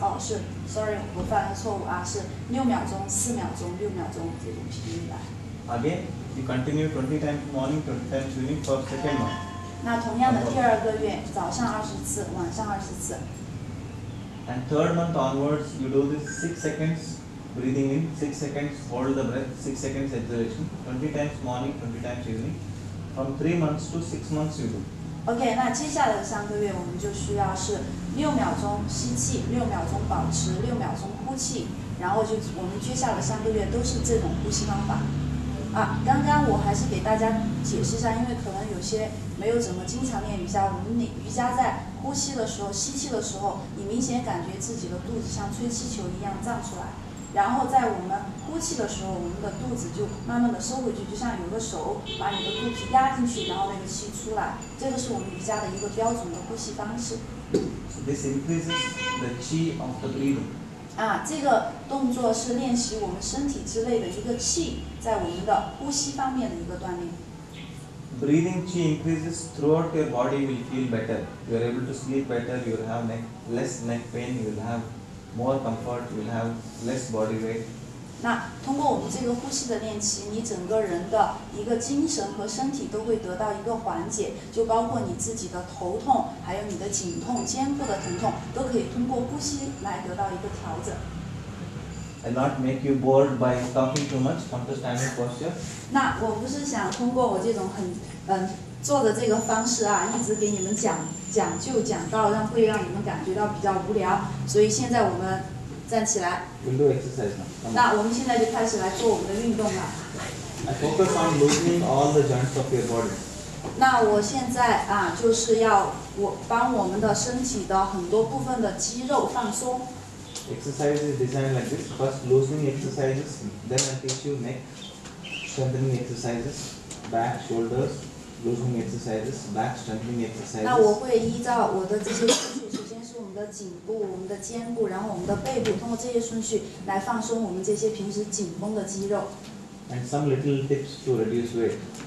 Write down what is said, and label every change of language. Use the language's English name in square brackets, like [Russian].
[Chinese] 哦，是 ，sorry， 我犯了错误啊，是6秒钟、4秒钟、6秒钟这种频率来。 [English] Again, you continue 20 times morning, 20 times evening for second one. [Chinese] 那同样的，第二个月早上20次，晚上20次。 [English] And third month onwards, you do this 6 seconds breathing in, 6 seconds hold the breath, 6 seconds exhalation, 20 times morning, 20 times evening, from 3 months to 6 months you do. [Chinese] Okay, 那接下来的三个月我们就需要是6秒钟吸气，6秒钟保持，6秒钟呼气，然后就我们接下来的三个月都是这种呼吸方法。啊，刚刚我还是给大家解释一下，因为可能有些没有怎么经常练瑜伽，我们瑜伽在呼吸的时候、吸气的时候，你明显感觉自己的肚子像吹气球一样胀出来，然后在我们呼气的时候，我们的肚子就慢慢的收回去，就像有个手把你的肚皮压进去，然后那个气出来，这个是我们瑜伽的一个标准的呼吸方式。 [English] So this increases the qi of the breathing. [Chinese] 啊，这个动作是练习我们身体之内的一个气。在我们的呼吸方面的一个锻炼。 [English] Breathing qi increases throughout your body, will feel better. You are able to sleep better. You will have less neck pain. You will have more comfort. You will have less body weight. [Chinese] 那通过我们这个呼吸的练习，你整个人的一个精神和身体都会得到一个缓解，就包括你自己的头痛，还有你的颈痛、肩部的疼痛，都可以通过呼吸来得到一个调整。 [English] And not make you bored by talking too much. Come to standing posture. [Chinese] 那我不是想通过我这种很做的这个方式啊，一直给你们讲到，让会让你们感觉到比较无聊。所以现在我们站起来。 [English] We'll do exercise now. [Chinese] 那我们现在就开始来做我们的运动了。 [English] I focus on loosening all the joints of your body. [Chinese] 那我现在啊，就是要我帮我们的身体的很多部分的肌肉放松。 [English] Exercise is designed like this. First loosening exercises, then I teach you neck strengthening exercises, back shoulders loosening exercises, back strengthening exercises. [Chinese] 那我会依照我的这些顺序，首先是我们的颈部、我们的肩部，然后我们的背部，通过这些顺序来放松我们这些平时紧绷的肌肉。 [English] And some little tips to reduce weight.